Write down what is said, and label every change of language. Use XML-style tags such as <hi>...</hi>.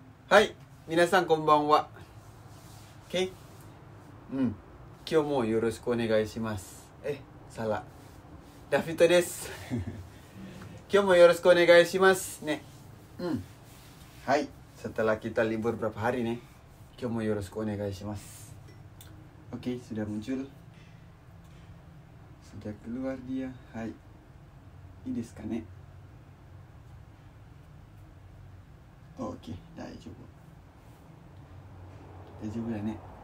<ja>はい、皆さんこんばんは。け、うん、今日もよろしくお願いします。え、サラ、ラフィットです。今日もよろしくお願いしますね。うん、はい。</ja> <id>setelah kita libur berapa hari nih?</id> <ja>今日もよろしくお願いします。</ja> <id>Okay, sudah muncul. Sudah keluar dia. Hai.</id> <ja>いいですかね? Okay, 大丈夫。大丈夫だね。</ja>